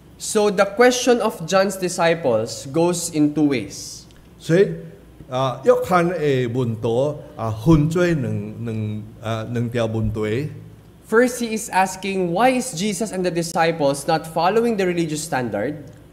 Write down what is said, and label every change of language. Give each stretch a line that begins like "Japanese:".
English: So the question of John's disciples goes in two ways.
Min Nan Chinese: So, 约翰的问题分成两条问题。
English: First, he is asking, why is Jesus and the disciples not following the religious standard?